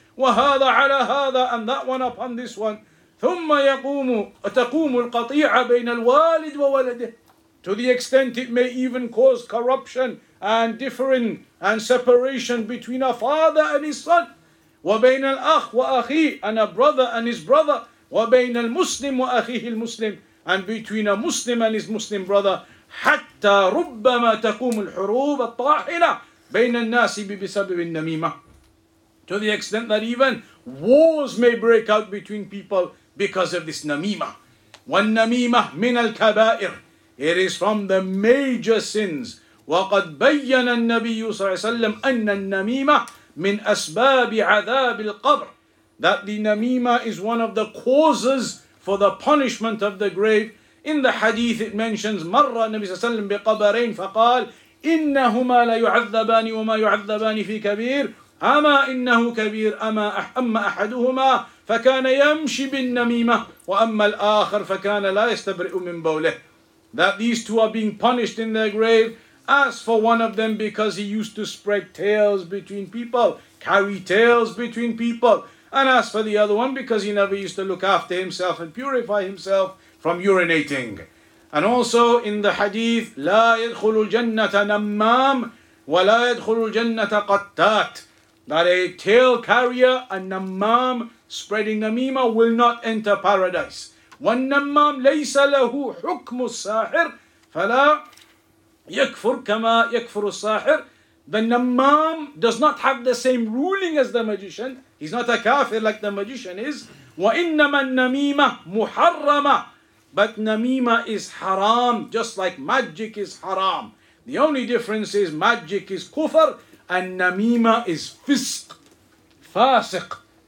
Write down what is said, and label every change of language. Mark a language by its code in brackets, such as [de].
[ar] وَهَذَا عَلَى هَذَا. [en] And that one upon this one. [ar] ثُمَّ يَقُومُ تَقُومُ الْقَطِيعَ بَيْنَ الْوَالِدِ وَوَلَدِهِ. [en] To the extent it may even cause corruption and differing and separation between a father and his son. وَبَيْنَ الْأَخْ وَأَخِيهِ. And a brother and his brother. [ar] وَبَيْنَ الْمُسْلِمُ وَأَخِيهِ الْمُسْلِمُ. [en] And between a Muslim and his Muslim brother. [ar] حتى ربما تقوم الحروب الطاحنة بين الناس بسبب النميمة. [en] To the extent that even wars may break out between people because of this نميمة. [ar] والنميمة من الكبائر. [en] It is from the major sins. [ar] وقد بين النبي صلى الله عليه وسلم أن النميمة من أسباب عذاب القبر. [en] That the نميمة is one of the causes for the punishment of the grave. In the hadith, it mentions [ar] مرة النبي صلى الله عليه وسلم بقبرين فقال إنهما ليعذبان وما يعذبان في كبير أما إنه كبير أما أحدهما فكان يمشي بالنميمة وأما الآخر فكان لا يستبرئ من بوله. [en] That these two are being punished in their grave. As for one of them, because he used to spread tales between people, carry tales between people. And as for the other one, because he never used to look after himself and purify himself from urinating. And also in the hadith, [ar] لا يدخل الجنة نمام ولا يدخل الجنة قطات. [en] That a tale carrier, a نمام, spreading نميمة, will not enter paradise. [ar] والنمام ليس له حكم الساحر فلا يكفر كما يكفر الساحر. [en] The نمام does not have the same ruling as the magician. He's not a kafir like the magician is. [ar] وإنما النميمة محرمة. [en] But namima is haram, just like magic is haram. The only difference is magic is kufr, and namima is fisq, fasiq.